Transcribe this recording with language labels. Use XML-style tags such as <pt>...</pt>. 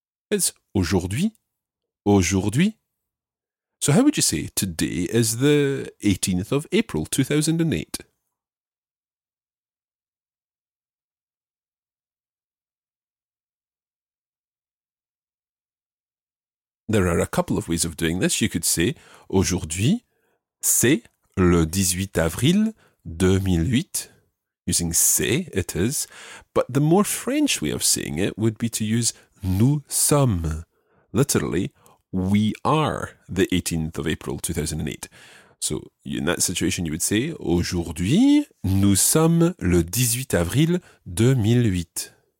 <en>It's aujourd'hui. Aujourd'hui. So how would you say today is the 18th of April, 2008? There are a couple of ways of doing this. You could say,</en> <fr>aujourd'hui, c'est le 18 avril 2008.</fr> <en>Using c'est, it is. But the more French way of saying it would be to use nous sommes. Literally, we are the 18th of April 2008. So in that situation, you would say,</en> <fr>aujourd'hui, nous sommes le 18 avril 2008.</fr>